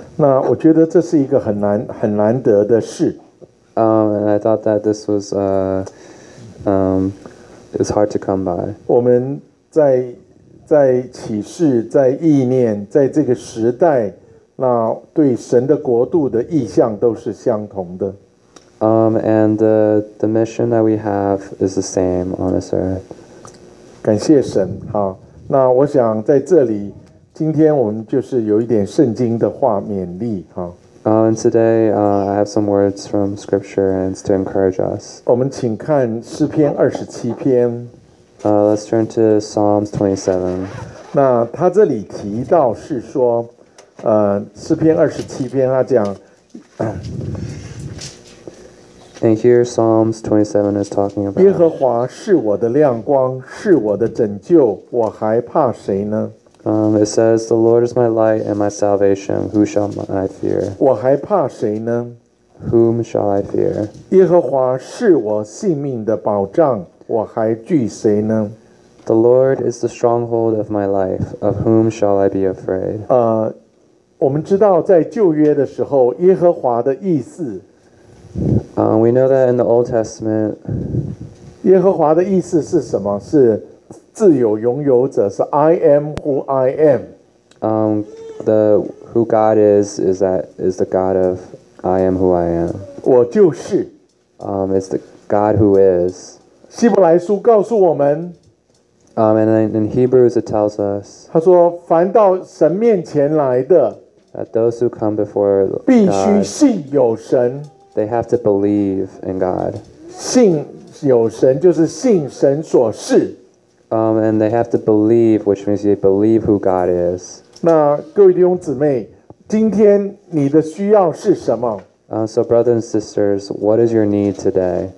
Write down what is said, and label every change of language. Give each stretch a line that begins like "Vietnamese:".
Chinese: 那我觉得这是一个很难得的事。
English: And I thought that this was it's hard to come by.
Chinese: 我们在启示，在意念，在这个时代。那对神的国度的意象都是相同的。
English: And the mission that we have is the same on this earth.
Chinese: 感谢神，好。那我想在这里，今天我们就是有一点圣经的话勉励，好。
English: And today, I have some words from scripture and to encourage us.
Chinese: 我们请看诗篇二十七篇。
English: Let's turn to Psalms 27.
Chinese: 那他这里提到是说。诗篇二十七篇他讲
English: And here Psalms 27 is talking about
Chinese: 耶和华是我的亮光，是我的拯救，我还怕谁呢？
English: It says the Lord is my light and my salvation, who shall I fear?
Chinese: 我还怕谁呢？
English: Whom shall I fear?
Chinese: 耶和华是我性命的保障，我还惧谁呢？
English: The Lord is the stronghold of my life, of whom shall I be afraid?
Chinese: 我们知道在旧约的时候耶和华的意思
English: We know that in the Old Testament
Chinese: 耶和华的意思是什么？是自由拥有者，是
English: I am who I am. The who God is that is the God of I am who I am.
Chinese: 我就是。
English: It's the God who is.
Chinese: 希伯来书告诉我们。
English: And in Hebrews it tells us.
Chinese: 他说，凡到神面前来的。
English: That those who come before God,
Chinese: 必须信有神。
English: They have to believe in God.
Chinese: 信有神就是信神所是。
English: And they have to believe, which means they believe who God is.
Chinese: 那各位弟兄姊妹，今天你的需要是什么？
English: So brothers and sisters, what is your need today?